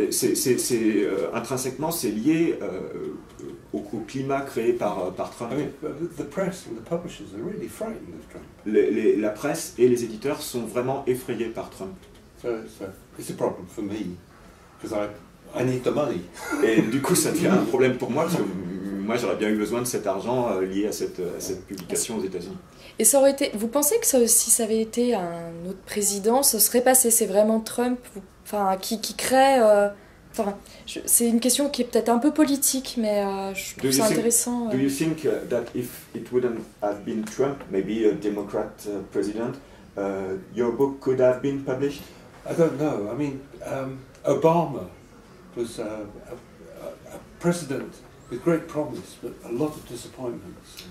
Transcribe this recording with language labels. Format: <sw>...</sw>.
<fr>C'est intrinsèquement c'est lié au climat créé par Trump.</fr> <en>I mean, the press and the publishers are really frightened of Trump.</en> <fr>La presse et les éditeurs sont vraiment effrayés par Trump.</fr> <en>So it's a problem for me because I need the money.</en> <fr>Et du coup, ça devient un problème pour moi parce que moi, j'aurais bien eu besoin de cet argent lié à cette publication aux États-Unis. Et ça aurait été. Vous pensez que si ça avait été un autre président, ce serait passé? C'est vraiment Trump, qui crée. C'est une question qui est peut-être un peu politique, mais je trouve ça intéressant.</fr> <en>Do you think that if it wouldn't have been Trump, maybe a Democrat president, your book could have been published? I don't know. I mean, Obama. Was a president with great promise, but a lot of disappointments.</en>